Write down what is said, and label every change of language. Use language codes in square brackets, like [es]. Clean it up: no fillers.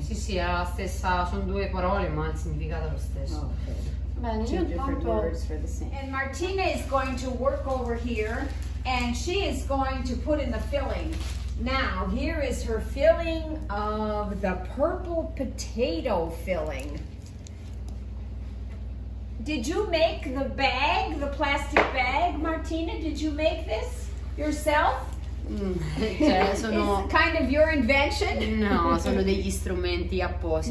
[it] Sì, sì, è la stessa, sono due parole, ma il significato è lo stesso. [en] Okay. And Martina is going to work over here, and she is going to put in the filling. Now, here is her filling of the purple potato filling. Did you make the bag, the plastic bag, Martina? Did you make this yourself? [it] Sono [en] it's kind of your invention? [it] No, sono degli strumenti appositi.